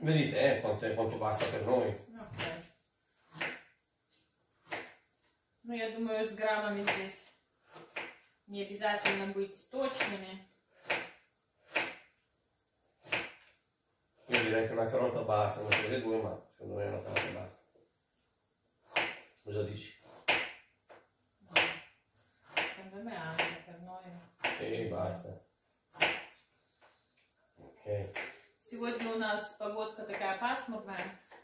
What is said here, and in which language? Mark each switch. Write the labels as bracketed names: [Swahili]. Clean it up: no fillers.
[Italian] Vedi te quanto basta per noi. [Russian] Ok. Ну, я думаю, с граммами здесь не обязательно быть точными. [Italian] Io direi che una carota basta, una cosa e due, ma secondo me una carota basta. Cosa dici? Secondo me anche per noi. Sì, basta. Ok. [Russian] Сегодня у нас погодка такая пасмурная.